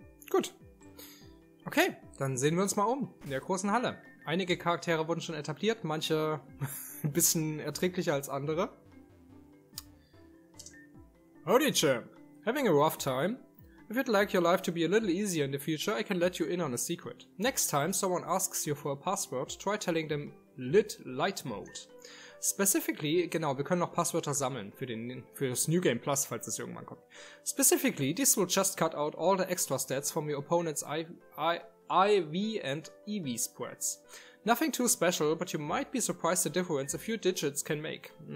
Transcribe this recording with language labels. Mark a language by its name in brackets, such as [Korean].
[German] Gut. Okay, dann sehen wir uns mal um in der großen Halle. Einige Charaktere wurden schon etabliert, manche ein bisschen erträglicher als andere. [English] Howdy, Champ. Having a rough time? If you'd like your life to be a little easier in the future, I can let you in on a secret. Next time someone asks you for a password, try telling them Lit Light Mode. Specifically, [German] genau, wir können noch Passwörter sammeln für das New Game Plus, falls es irgendwann kommt. [English] Specifically, this will just cut out all the extra stats from your opponent's IV and EV spreads. Nothing too special, but you might be surprised the difference a few digits can make.